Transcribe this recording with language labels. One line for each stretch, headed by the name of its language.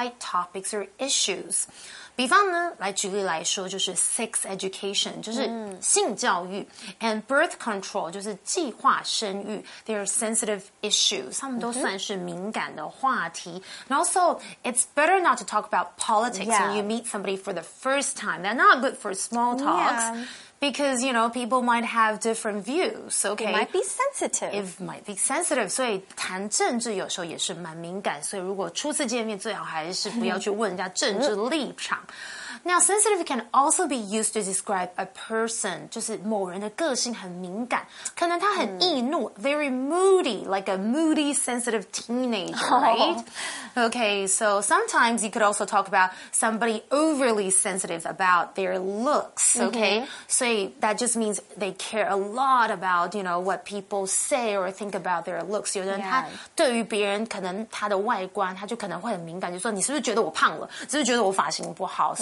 English: worldwide topics or issues.
Chinese: 比方呢，来举例来说，就是
English: sex education,
Chinese: 就是性教育、
English: and birth control,
Chinese: 就是计划生育。
English: They are sensitive issues,
Chinese: 他们都算是敏感的话题。
English: And also, it's better not to talk about politics when you meet somebody for the first time. They're not good for small talks. Yeah. Because, you know, people might have different views, okay? It might be sensitive. It might be sensitive.
Chinese: 所以谈政治有时候也是蛮敏感。所以如果初次见面最好还是不要去问人家政治立场。
English: Now, sensitive can also be used to describe a person,
Chinese: 就是某人的个性很敏感。可能他很易怒、
English: very moody, like a moody, sensitive teenager, right? Okay, so sometimes you could also talk about somebody overly sensitive about their looks, okay?、So that just means they care a lot about, you know, what people say or think about their looks.
Chinese: 有的人他对于别人可能他的外观他就可能会很敏感，就说你是不是觉得我胖了，是不是觉得我发型不好。